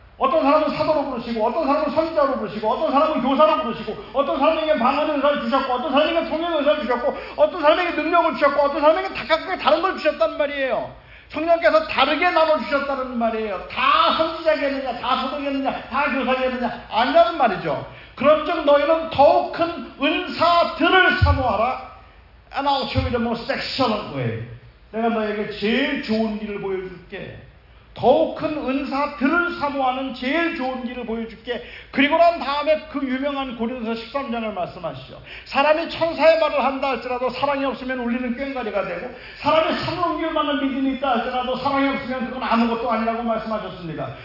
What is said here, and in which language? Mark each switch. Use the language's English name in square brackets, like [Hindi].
[Korean] 어떤 사람은 사도로 부르시고, 어떤 사람은 선지자로 부르시고, 어떤 사람은 교사로 부르시고, 어떤 사람에게 방언 은사를 주셨고, 어떤 사람에게 통역 은사를 주셨고, 어떤 사람에게 능력을 주셨고, 어떤 사람에게 각각의 다른 걸 주셨단 말이에요. 성령께서 다르게 나눠주셨다는 말이에요. 다 선지자겠느냐, 다 소동겠느냐, 다 교사겠느냐 아니라는 말이죠. 그런즉 너희는 더욱 큰 은사들을 사모하라. [English] And I'll show you the most excellent way. [Korean] 내가 너에게 제일 좋은 길을 보여줄게. 더욱 큰 은사들을 사모하는 제일 좋은 길을 보여줄게. 그리고 난 다음에 그 유명한 고린도서 13장을 말씀하시죠. 사람이 천사의 말을 한다 할지라도 사랑이 없으면 우리는 꽹과리가 되고, 사람이 새로운 길만을 믿음이 있다 할지라도 사랑이 없으면 그건 아무것도 아니라고 말씀하셨습니다.